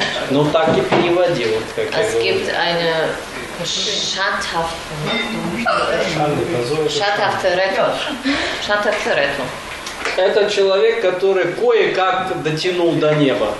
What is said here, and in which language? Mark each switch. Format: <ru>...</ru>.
<ru>Ну так и переводи, вот как</ru> <de>es gibt eine schandhafte Rettung.</de> <ru>Это человек, который кое-как дотянул до неба.</ru>